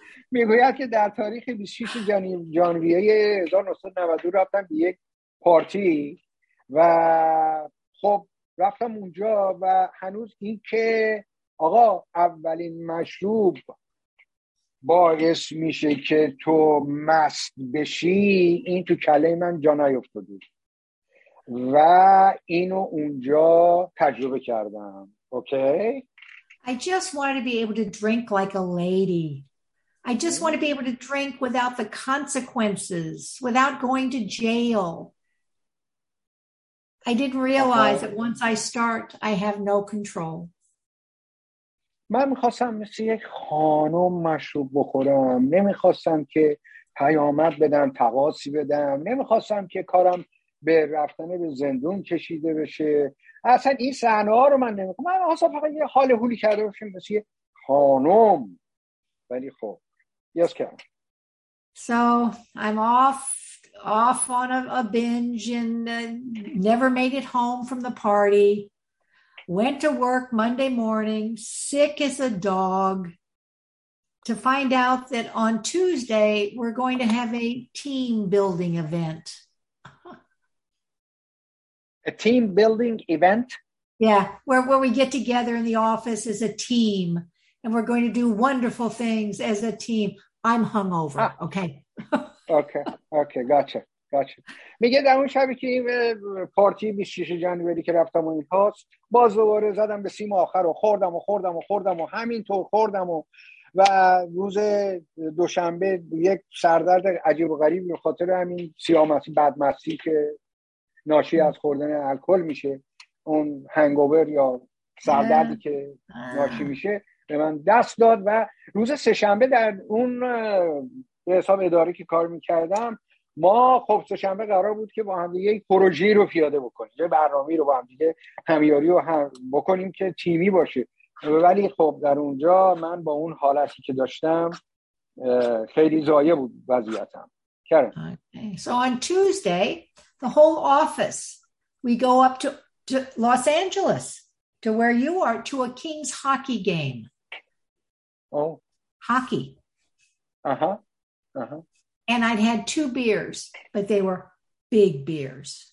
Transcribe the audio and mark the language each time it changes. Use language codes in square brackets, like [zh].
[fa] میگوید که در تاریخ 26 ژانویه 1992 رفتم به یک پارتی و خب رفتم اونجا و هنوز این که آقا اولین مشروب باعث میشه که تو مست بشی، این تو کله من جا نیفتاد و اینو اونجا تجربه کردم. اوکی. [en] I just wanted to be able to drink like a lady. I just want to be able to drink without the consequences, without going to jail. I didn't realize that once I start, I have no control. [fa] من می‌خواستم مثل یک خانم مشروب بخورم. نمی‌خواستم که پیامد بدم، تقاصی بدم. نمی‌خواستم که کارم به رفتن به زندون کشیده بشه. اصلا این صحنه‌ها رو من نمی‌خوام. من اصلا فقط یه حال هولی کرده باشم مثل یک خانم. ولی خب یاس کردم. [en] So, I'm off on a binge and never made it home from the party. Went to work Monday morning, sick as a dog, to find out that on Tuesday we're going to have a team building event. A team building event? Yeah, where we get together in the office as a team and we're going to do wonderful things as a team. I'm hungover. Okay. Okay. Gotcha. Gotcha. [fa] میگه در اون شبی که این پارتی 26 جنوری که رفتم و این هاست باز دوباره زدم به سیم آخر و خوردم و خوردم و خوردم و همینطور خوردم و روز دوشنبه یک سردرد عجیب و غریب به خاطر همین سیامستی بدمستی که ناشی از خوردن الکل میشه اون هنگوور یا سردردی که ناشی میشه به من دست داد و روز سه‌شنبه در اون به حساب اداری که کار میکردم ما خب سه‌شنبه قرار بود که با هم دیگه یک پروژه رو پیاده بکنیم، یه برنامه رو با هم دیگه همیاری رو هم بکنیم که تیمی باشه، ولی خب در اونجا من با اون حالتی که داشتم خیلی ضایع بود وضعیتم. Karen. Okay. [en] So on Tuesday, the whole office, we go up to Los Angeles, to where you are, to a Kings hockey game. Oh. Hockey. Uh-huh. Uh-huh. And I'd had two beers, but they were big beers.